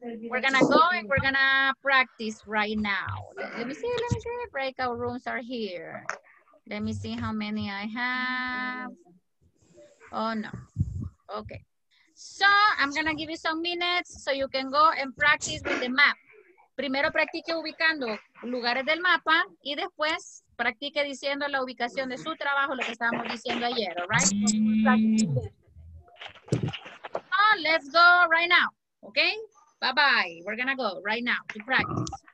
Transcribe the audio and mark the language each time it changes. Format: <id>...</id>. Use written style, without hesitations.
<en>We're gonna go and we're gonna practice right now. Let me see. Breakout rooms are here. Let me see how many I have. Oh, no. Okay. So, I'm gonna give you some minutes so you can go and practice with the map.</en> <es>Primero practique ubicando lugares del mapa y después practique diciendo la ubicación de su trabajo, lo que estábamos diciendo ayer, all right?</es> <en>So, let's go right now, okay? Bye-bye, we're gonna go right now to practice.</en>